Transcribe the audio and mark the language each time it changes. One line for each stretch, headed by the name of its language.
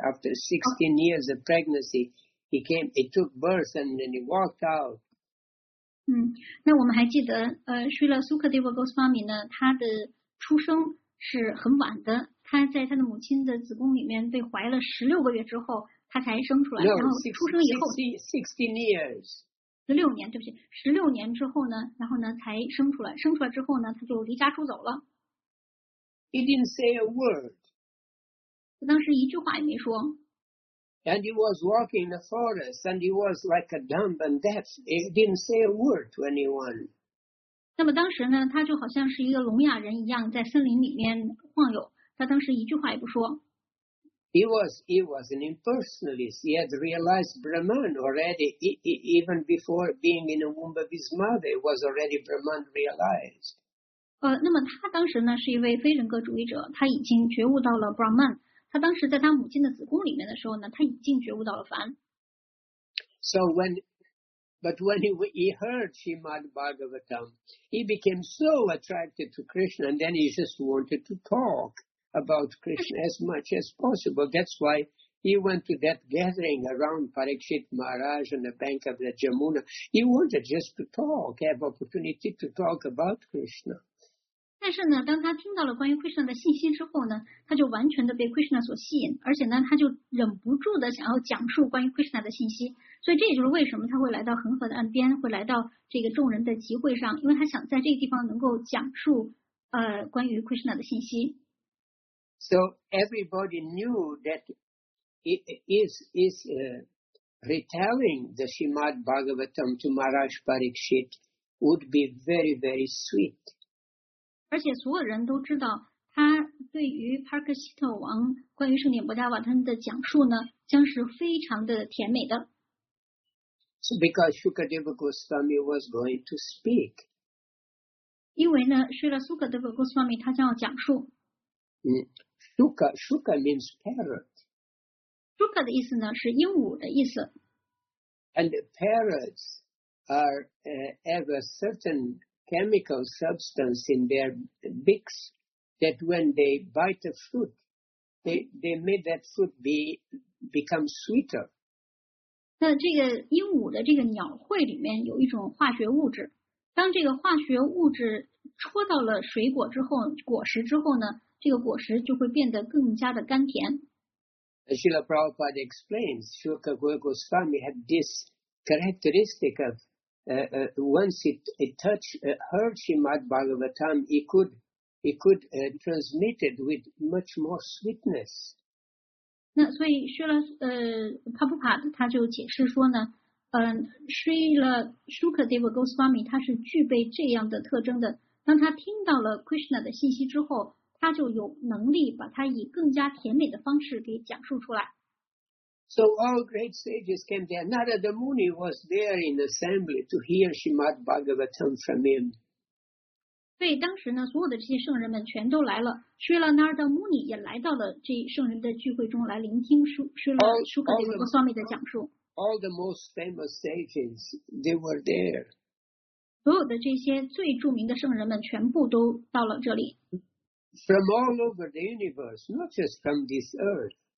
English: After 16 years of pregnancy, he took birth and then he walked out.
Chinese: 那我们还记得Srila Sukadeva Goswami 呢，他的出生是很晚的，他在他的母亲的子宫里面被怀了16个月之后，他才生出来。
English: No,
Chinese: 然后出生以后
English: 16 years.
Chinese: 16年，对不起，16年之后呢，然后呢才生出来。生出来之后呢，他就离家出走了。
English: He didn't say a word.
Chinese: 他当时一句话也没说。
English: And he was walking in the forest, and he was like a dumb and deaf. He didn't say a word to anyone.
Chinese: 那么当时呢，他就好像是一个聋哑人一样，在森林里面晃悠。他当时一句话也不说。
English: He was an impersonalist. He had realized Brahman already, even before being in the womb of his mother. It was already Brahman realized.
Chinese: 那么他当时呢，是一位非人格主义者，他已经觉悟到了 Brahman。他当时在他母亲的子宫里面的时候呢，他已经觉悟到了凡。
English: But when he heard Srimad Bhagavatam, he became so attracted to Krishna, and then he just wanted to talk about Krishna as much as possible. That's why he went to that gathering around Parikshit Maharaj on the bank of the Jamuna. He wanted just to talk, have opportunity to talk about Krishna.
Chinese: 但是呢，当他听到了关于 Krishna 的信息之后呢，他就完全的被 Krishna 所吸引，而且呢，他就忍不住的想要讲述关于 Krishna 的信息。所以这也就是为什么他会来到恒河的岸边，会来到这个众人的集会上，因为他想在这个地方能够讲述关于 Krishna 的信息。
English: So everybody knew that retelling the Srimad Bhagavatam to Maharaj Parikshit would be very, very sweet.
Chinese: 而且所有人都知道他对于帕克希特王关于圣典伯达瓦坦的讲述呢将是非常的甜美的。
English: So because Shukadeva Goswami was going to speak.
Chinese: 因为呢是了 Shukadeva Goswami 他将要讲述。
English: Shuka means parrot.
Chinese: Shuka 的意思呢是鹦鹉的意思。
English: And parrots have a certain... chemical substance in their beaks that when they bite a fruit, they make that fruit become sweeter.
Chinese: 那这个鹦鹉的这个鸟喙里面有一种化学物质，当这个化学物质戳到了水果之后，果实之后呢，这个果实就会变得更加的甘甜。
English: Srila Prabhupada explains, Shukadeva Goswami had this characteristic ofonce it touched, heard Srimad Bhagavatam, he could transmit it with much more sweetness.
Chinese: 那所以Srila Prabhupada 他就解释说呢，Srila Shukadeva Goswami 他是具备这样的特征的。当他听到了 Krishna 的信息之后，他就有能力把它以更加甜美的方式给讲述出来。
English: So all great sages came there. Narada Muni was there in assembly to hear Srimad Bhagavatam from him.
Chinese: 对，当时呢，所有的这些圣人们全都来了。 Srila Narada Muni 也来到了这圣人的聚会中来聆听Srila Shukadeva Goswami 的讲述。
English: All the most famous sages, they were there.
Chinese: 所有的这些最著名的圣人们全部都到了这里。
English: From all over the universe, not just from this earth.